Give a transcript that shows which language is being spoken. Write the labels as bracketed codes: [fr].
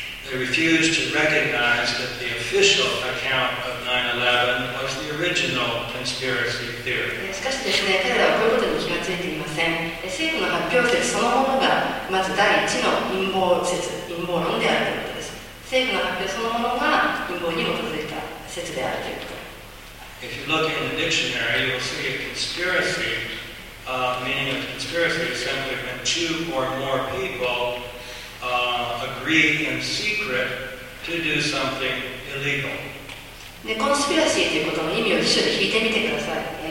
[en] They refuse to recognize that the official account of 9/11 was the original conspiracy theory. [ja] しかしですね、彼らはこういうことに気がついていません。政府の発表説そのものがまず第一の陰謀説、陰謀論であるということです。政府の発表そのものが陰謀に基づいた説であるということ。 [en] If you look in the dictionary, you will see a conspiracy. Meaning of conspiracy is simply when two or more people agree in secret to do something illegal. [ja] コンスピラシーということの意味を辞書で引いてみてください。